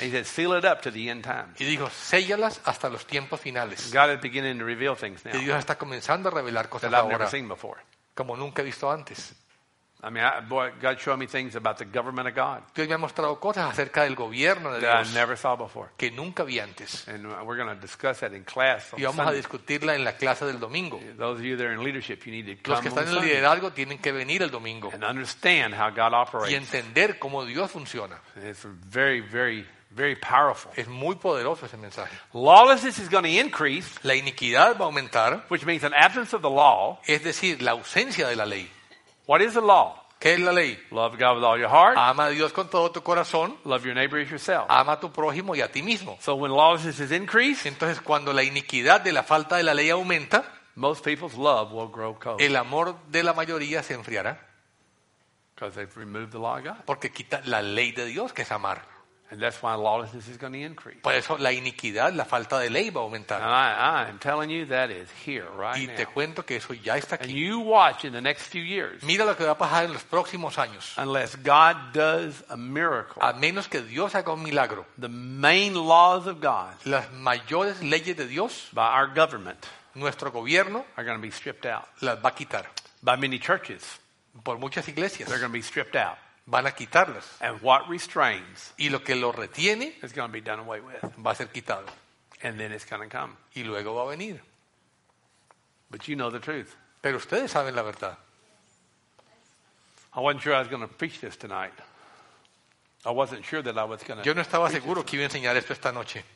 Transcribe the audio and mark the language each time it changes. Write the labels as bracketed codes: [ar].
[en] And he said, "Seal it up to the end times." [es] Y dijo, séllalas hasta los tiempos finales. [en] God is beginning to reveal things now. [es] Y Dios está comenzando a revelar cosas [en] that [es] ahora. [en] I've never seen before. [es] Como nunca he visto antes. [en] I mean, God showed me things about the government of God. [es] Dios me ha mostrado cosas acerca del gobierno de Dios. [en] That I never saw before. [es] Que nunca vi antes. [en] And we're going to discuss that in class. [es] Y vamos a discutirla en la clase del domingo. [en] Those of you that are in leadership, you need to come. [es] Los que están en liderazgo tienen que venir el domingo. [en] And understand how God operates. [es] Y entender cómo Dios funciona. [en] It's very, very, very powerful. [es] Es muy poderoso ese mensaje. [en] Lawlessness is going to increase. [es] La iniquidad va a aumentar. [en] Which means an absence of the law. [es] Es decir, la ausencia de la ley. [en] What is the law? [es] ¿Qué es la ley? [en] Love God with all your heart. [es] Ama a Dios con todo tu corazón. [en] Love your neighbor as yourself. [es] Ama a tu prójimo y a ti mismo. [en] So when lawlessness is increased, [es] entonces cuando la iniquidad de la falta de la ley aumenta, [en] most people's love will grow cold. [es] El amor de la mayoría se enfriará. [en] Because they've removed the law of God. [es] Porque quita la ley de Dios, que es amar. [en] And that's why lawlessness is going to increase. [es] Por eso la iniquidad, la falta de ley va a aumentar. [en] I'm telling you that is here right now. [es] Y te cuento que eso ya está aquí. [en] And you watch in the next few years. [es] Mira lo que va a pasar en los próximos años. [en] Unless God does a miracle. [es] A menos que Dios haga un milagro. [en] The main laws of God. [es] Las mayores leyes de Dios. [en] By our government. [es] Nuestro gobierno. [en] Are going to be stripped out. [es] Las va a quitar. [en] By many churches. [es] Por muchas iglesias. [en] They're going to be stripped out. [es] Van a quitarlas. [en] And what restrains, [es] y lo que lo retiene, [en] is going to be done away with. [es] Va a ser quitado. [en] And then it's going to come. [es] Y luego va a venir. [en] But you know the truth. [es] Pero ustedes saben la verdad. [en] I wasn't sure I was going to preach this tonight. I wasn't sure that I was going to. [es] Yo no estaba seguro que iba a enseñar esto esta noche.